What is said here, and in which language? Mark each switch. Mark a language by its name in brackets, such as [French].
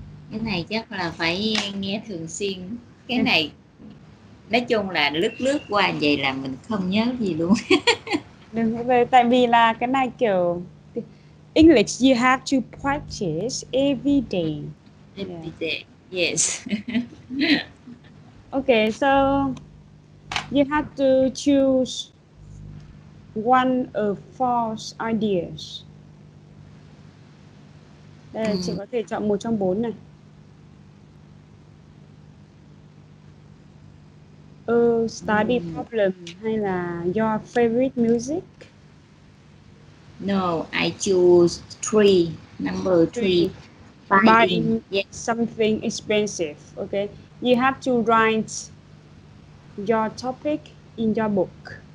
[Vietnamese] Cái này chắc là phải nghe thường xuyên. Cái này nói chung là lướt lướt qua vậy là mình không nhớ gì luôn. Đừng, tại vì là cái này kiểu English [English] you have to practice every day. Every day, yes. Okay, so you have to choose one of false ideas. [Vietnamese] Đây là chị có thể chọn một trong bốn này. [English] A study problem [Vietnamese] hay là [English] your favorite music? No, I choose three. Number three. Buying yes. something expensive. Okay. You have to write your topic in your book.